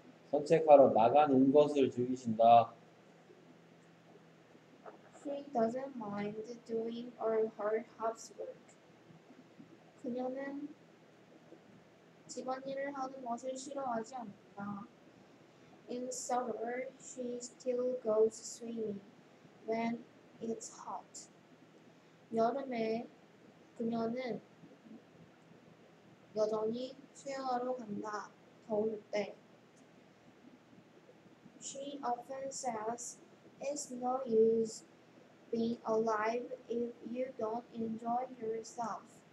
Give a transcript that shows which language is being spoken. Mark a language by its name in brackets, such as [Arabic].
[Korean] 산책하러 나가는 것을 즐기신다. [English] She doesn't mind doing all her housework. [Korean] 그녀는 집안일을 하는 것을 싫어하지 않는다. [English] In summer, she still goes swimming when it's hot. [Korean] 여름에 그녀는 여전히 수영하러 간다. 더울 때. [English] She often says, "It's no use being alive if you don't enjoy yourself."